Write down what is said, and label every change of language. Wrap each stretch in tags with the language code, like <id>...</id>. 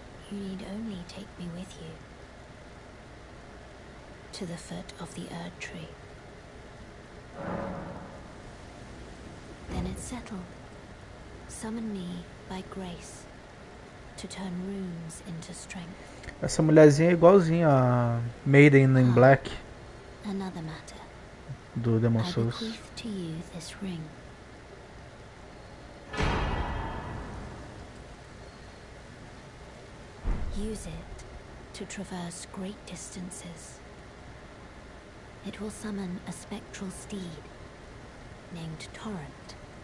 <en>You need only take me with you to the foot of the Erd Tree. Then it's settled. Summon me by grace to turn runes into strength.</en> <pt>Essa mulherzinha é igualzinha a Maiden in Black.</pt> <en>Another matter.</en> <pt>Do Demon Souls.</pt> <en>I bequeath to you this ring. Use it to traverse great distances. It will summon a spectral steed named Torrent.</en>